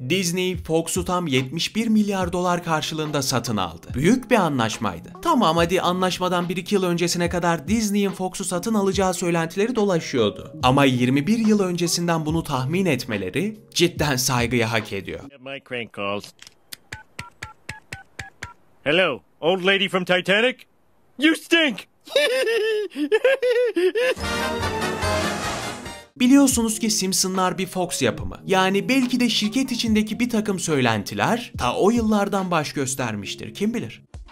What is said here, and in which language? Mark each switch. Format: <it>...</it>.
<tr>Disney, Fox'u tam 71 milyar dolar karşılığında satın aldı. Büyük bir anlaşmaydı. Tamam hadi anlaşmadan 1-2 yıl öncesine kadar Disney'in Fox'u satın alacağı söylentileri dolaşıyordu. Ama 21 yıl öncesinden bunu tahmin etmeleri cidden saygıya hak ediyor.</tr> <en>My crank calls. Hello, old lady from Titanic? You stink!</en> <tr>Biliyorsunuz ki Simpsonlar bir Fox yapımı. Yani belki de şirket içindeki bir takım söylentiler ta o yıllardan baş göstermiştir, kim bilir.</tr>